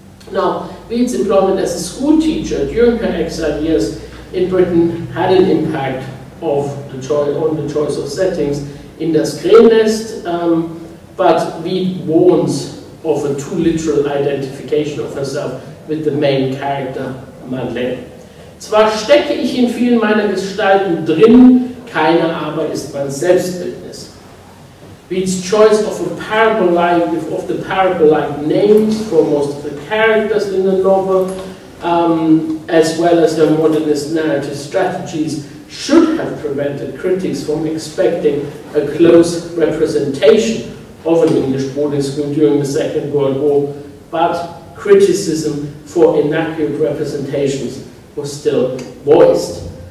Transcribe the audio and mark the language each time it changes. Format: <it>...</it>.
<en>Now, Wied's employment as a school teacher during her exile years in Britain had an impact on the choice of settings in Das Gmeyner, but Wied warns of a too literal identification of herself with the main character, Madeleine.</en> <de>Zwar stecke ich in vielen meiner Gestalten drin, keiner aber ist mein Selbstbildnis.</de> <en>Wied's choice of a parable-like, of the parable-like names for most of the characters in the novel, as well as her modernist narrative strategies, should have prevented critics from expecting a close representation of an English boarding school during the Second World War, but criticism for inaccurate representations was still voiced.</en>